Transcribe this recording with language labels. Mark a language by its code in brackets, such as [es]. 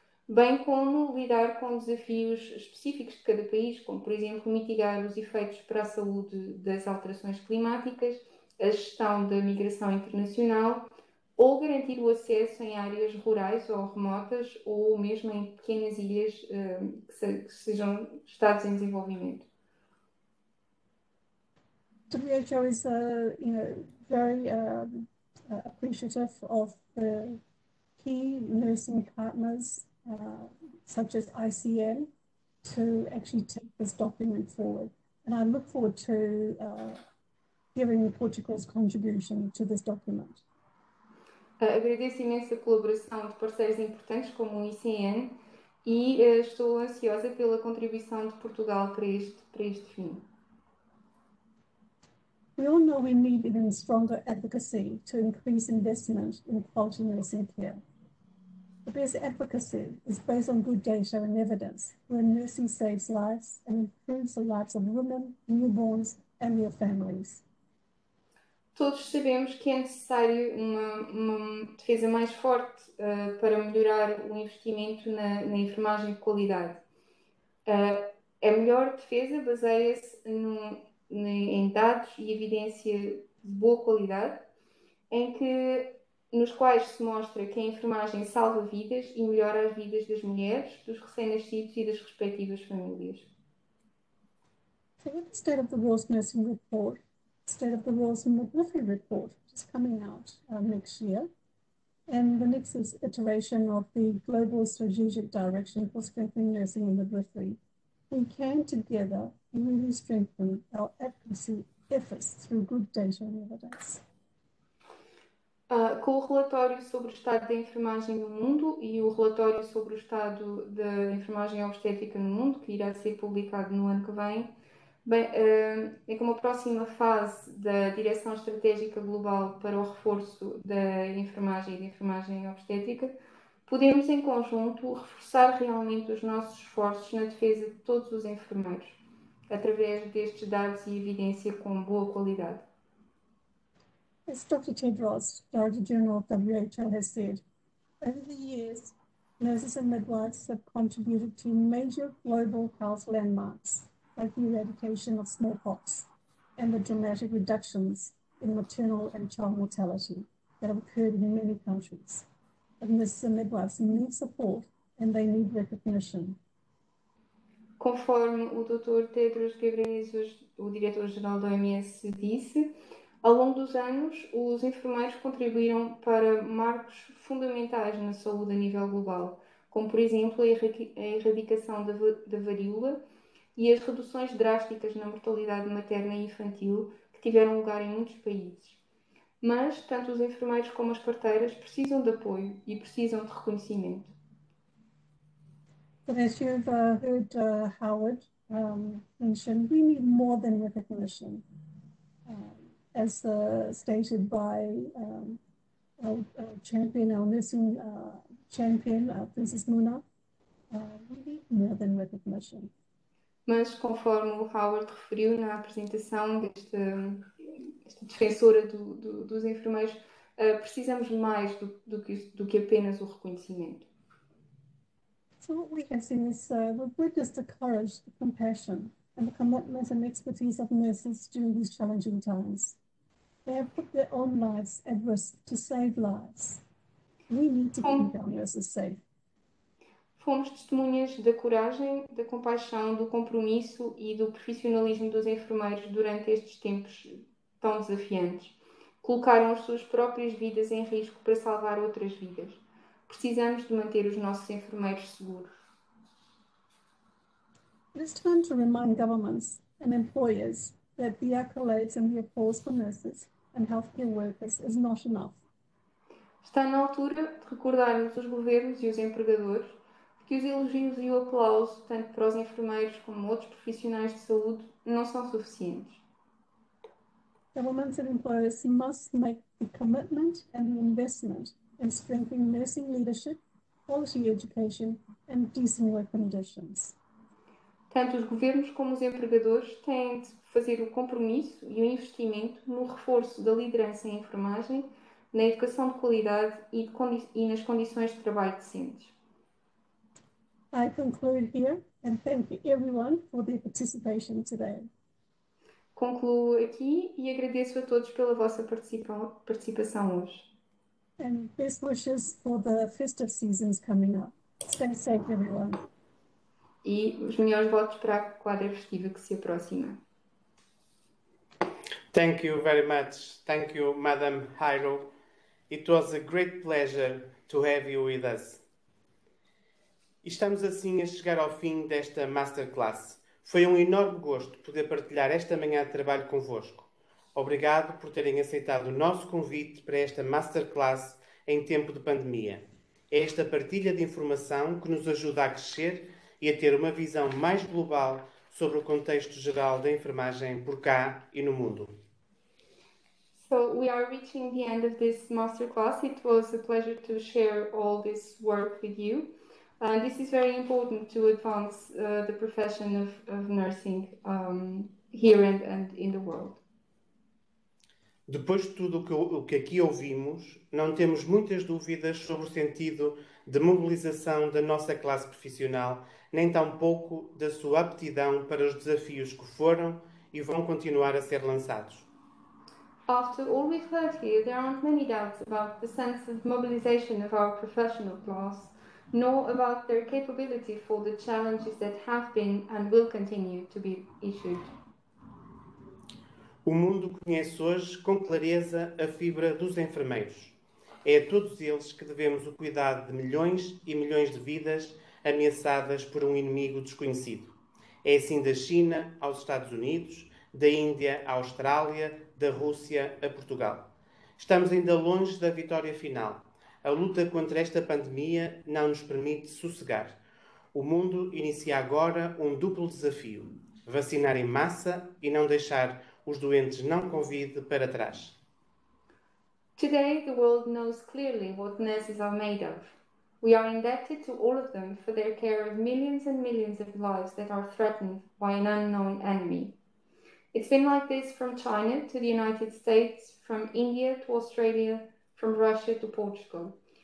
[pt] bem como lidar com desafios específicos de cada país, como, por exemplo, mitigar os efeitos para a saúde das alterações climáticas, a gestão da migração internacional, ou garantir o acesso em áreas rurais ou remotas, ou mesmo em pequenas ilhas que sejam estados em desenvolvimento. [en] The WHO is very appreciative of the key nursing partners such as ICN to actually take this document forward. And I look forward to hearing Portugal's contribution to this document. [pt] Agradeço imenso a colaboração de parceiros importantes como o ICN e estou ansiosa pela contribuição de Portugal para este fim. [en] We all know we need even stronger advocacy to increase investment in quality nursing care. The best advocacy is based on good data and evidence where nursing saves lives and improves the lives of women, newborns, and their families. [pt] Todos sabemos que é necessário uma defesa mais forte para melhorar o investimento na enfermagem de qualidade. A melhor defesa baseia-se em dados e evidência de boa qualidade, nos quais se mostra que a enfermagem salva vidas e melhora as vidas das mulheres, dos recém-nascidos e das respectivas famílias. [en] The State of the World's Nursing Report, State of the World's Midwifery Report, is coming out next year. And the next is iteration of the Global Strategic Direction for Strengthening Nursing and Midwifery. We can together really strengthen our advocacy efforts through good data and evidence. [pt] Com o relatório sobre o estado da enfermagem no mundo e o relatório sobre o estado da enfermagem obstétrica no mundo, que irá ser publicado no ano que vem, bem, é como a próxima fase da Direção Estratégica Global para o Reforço da Enfermagem e da Enfermagem Obstétrica, podemos em conjunto reforçar realmente os nossos esforços na defesa de todos os enfermeiros, através destes dados e evidência com boa qualidade. [en] As Dr. Tedros, Director General of WHO, has said, over the years, nurses and midwives have contributed to major global health landmarks, like the eradication of smallpox and the dramatic reductions in maternal and child mortality that have occurred in many countries. But nurses and midwives need support and they need recognition. [pt] Conforme o Dr. Tedros Ghebreyesus, o Diretor-Geral da OMS, disse, ao longo dos anos, os enfermeiros contribuíram para marcos fundamentais na saúde a nível global, como, por exemplo, a erradicação da varíola e as reduções drásticas na mortalidade materna e infantil que tiveram lugar em muitos países. Mas tanto os enfermeiros como as parteiras precisam de apoio e precisam de reconhecimento. [en] But as you've heard Howard mention, we need more than recognition. As stated by our nursing champion, Princess Muna, we need more than recognition. [pt] Mas, conforme o Howard referiu na apresentação desta defensora dos enfermeiros, precisamos mais do que apenas o reconhecimento. [en] So what we have seen is we've witnessed the courage, the compassion, and the commitment and expertise of nurses during these challenging times. They have put their own lives at risk to save lives. We need to keep our nurses safe. [pt] Fomos testemunhas da coragem, da compaixão, do compromisso e do profissionalismo dos enfermeiros durante estes tempos tão desafiantes. Colocaram as suas próprias vidas em risco para salvar outras vidas. Precisamos de manter os nossos enfermeiros seguros. [en] It's time to remind governments and employers that the accolades and the applause for nurses and healthcare workers is not enough. [pt] Está na altura de recordarmos os governos e os empregadores que os elogios e o aplauso, tanto para os enfermeiros como outros profissionais de saúde, não são suficientes. [en] Governments and employers must make the commitment and the investment in strengthening nursing leadership, quality education, and decent work conditions. [pt] Tanto os governos como os empregadores têm de fazer o compromisso e o investimento no reforço da liderança em enfermagem, na educação de qualidade e nas condições de trabalho decentes. [en] I conclude here and thank everyone for their participation today. [pt] Concluo aqui e agradeço a todos pela vossa participação hoje. [en] And best wishes for the festive seasons coming up. Stay safe, everyone. [pt] E os melhores votos para a quadra festiva que se aproxima. [en] Thank you very much. Thank you, Madam Hiro. It was a great pleasure to have you with us. [pt] Estamos assim a chegar ao fim desta Masterclass. Foi um enorme gosto poder partilhar esta manhã de trabalho convosco. Obrigado por terem aceitado o nosso convite para esta Masterclass em tempo de pandemia. É esta partilha de informação que nos ajuda a crescer e a ter uma visão mais global sobre o contexto geral da enfermagem por cá e no mundo. [en] So we are reaching the end of this masterclass. It was a pleasure to share all this work with you. And this is very important to advance the profession of nursing here and in the world. [pt] Depois de tudo o que aqui ouvimos, não temos muitas dúvidas sobre o sentido de mobilização da nossa classe profissional, nem tampouco da sua aptidão para os desafios que foram e vão continuar a ser lançados. [en] After all we've heard here, there aren't many doubts about the sense of mobilization of our professional class, nor about their capability for the challenges that have been and will continue to be issued. [pt] O mundo conhece hoje com clareza a fibra dos enfermeiros. É a todos eles que devemos o cuidado de milhões e milhões de vidas ameaçadas por um inimigo desconhecido. É assim da China aos Estados Unidos, da Índia à Austrália, da Rússia a Portugal. Estamos ainda longe da vitória final. A luta contra esta pandemia não nos permite sossegar. O mundo inicia agora um duplo desafio: vacinar em massa e não deixar os doentes não Covid para trás. [en] Today the world knows clearly what nurses are made of. We are indebted to all of them for their care of millions and millions of lives that are threatened by an unknown enemy. It's been like this from China to the United States, from India to Australia, from Russia to Portugal.